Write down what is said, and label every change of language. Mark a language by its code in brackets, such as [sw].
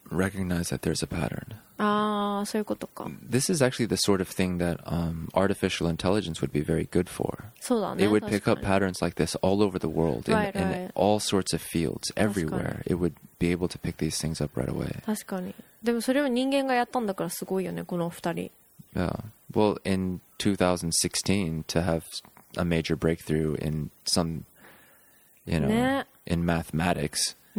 [en] Recognize that there's a pattern. [ja] Ah, そういうことか。 [en] This is actually the sort of thing that artificial intelligence would be very good for. [ja] そうだね。 [en] It would pick up patterns like this all over the world, right, in right. all sorts of fields, everywhere. It would be able to pick these things up right away. [ja] 確かに。でもそれを人間がやったんだからすごいよね、この二人。 [en] Yeah. Well, in 2016, to have a major breakthrough in some, you know, in mathematics.